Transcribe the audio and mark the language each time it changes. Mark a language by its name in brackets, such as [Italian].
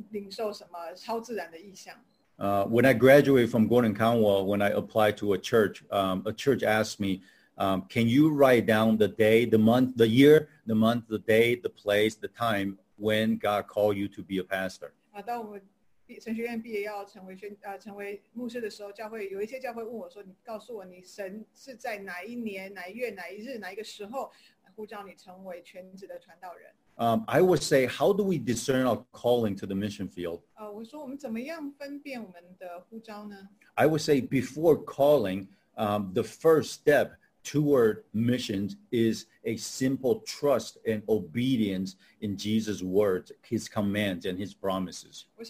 [Chinese] 我自己也没有从神领受什么超自然的意象。 [English] When I graduated from Gordon Conwell, when I applied to a church asked me, can you write down the day, the month, the year, the month, the day, the place, the time when God called you to be a pastor? [Chinese] 当我毕成学院毕业要成为牧师的时候，教会有一些教会问我说：“你告诉我，你神是在哪一年、哪一月、哪一日、哪一个时候呼召你成为全职的传道人？” [English] I would say, how do we discern our calling to the mission field? [Chinese] 我说我们怎么样分辨我们的呼召呢？ [English] I would say before calling, the first step toward missions is a simple trust and obedience in Jesus' words, His commands and His promises.